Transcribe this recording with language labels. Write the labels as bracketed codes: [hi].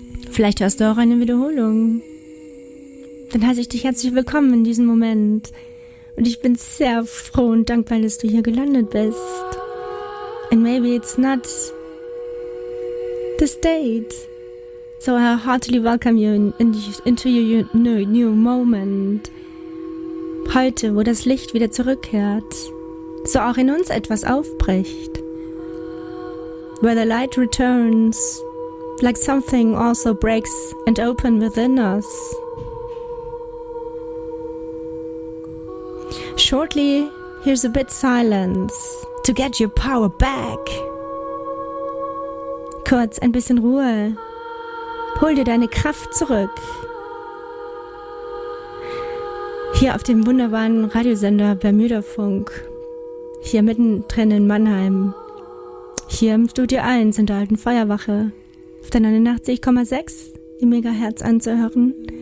[de] Vielleicht hörst du auch eine Wiederholung. Dann heiße ich dich herzlich willkommen in diesem Moment. Und ich bin sehr froh und dankbar, dass du hier gelandet bist. [en] And maybe it's not this date. So I heartily welcome you into your new moment. [de] Heute, wo das Licht wieder zurückkehrt, so auch in uns etwas aufbricht. [en] Where the light returns, like something also breaks and open within us. Shortly, here's a bit silence to get your power back. [de] Kurz ein bisschen Ruhe. Hol dir deine Kraft zurück. Hier auf dem wunderbaren Radiosender Bermudafunk. Hier mittendrin in Mannheim. Hier im Studio 1 in der alten Feuerwache. Auf der 89,6 im Megahertz anzuhören.